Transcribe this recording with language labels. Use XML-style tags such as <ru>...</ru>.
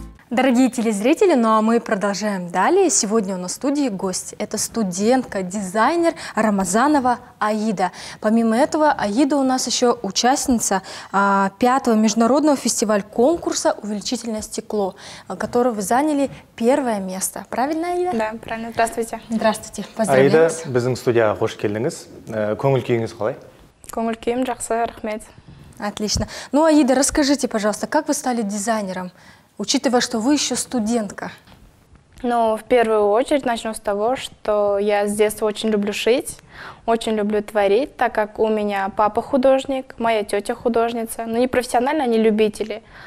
<ru>Дорогие телезрители, ну а мы продолжаем далее. Сегодня у нас в студии гость. Это студентка, дизайнер Рамазанова Аида. Помимо этого, Аида у нас еще участница 5-го международного фестиваля-конкурса «Увеличительное стекло», который вы заняли первое место. Правильно, Аида? Да, правильно. Здравствуйте. Здравствуйте. Поздравляю вас.</ru> <kk>Аида, біздің студияға қош келдіңіз. Көңіл күйіңіз қалай? Көңіл күйім жақсы, рахмет.</kk> <ru>Отлично. Ну, Аида, расскажите, пожалуйста, как вы стали дизайнером? Учитывая, что вы еще студентка. Ну, в первую очередь начну с того, что я с детства очень люблю шить, очень люблю творить, так как у меня папа художник, моя тетя художница, но не профессионально, они любители.</ru>